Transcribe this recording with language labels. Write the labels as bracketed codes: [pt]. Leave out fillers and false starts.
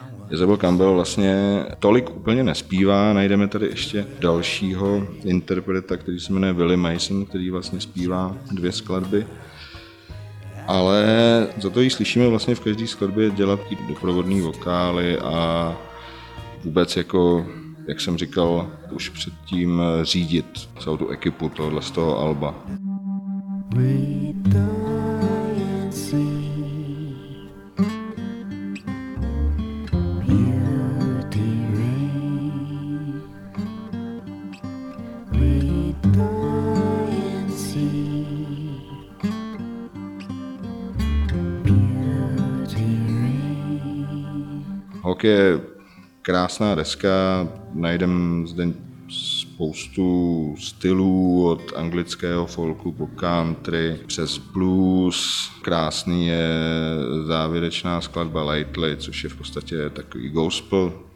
[cs] Isobel Campbell vlastně tolik úplně nespívá, najdeme tady ještě dalšího interpreta, který se jmenuje Willie Mason, který vlastně zpívá dvě skladby, ale za to jí slyšíme vlastně v každé skladbě dělat ty doprovodné vokály a vůbec jako, jak jsem říkal, už předtím řídit celou tu ekipu tohle z toho alba. [en] We die and see beauty reign. We die and see beauty reign. [cs] Hawk je krásná deska, najdem zde spoustu stylů od anglického folku po country přes blues. Krásný je závěrečná skladba Lately, což je v podstatě takový gospel.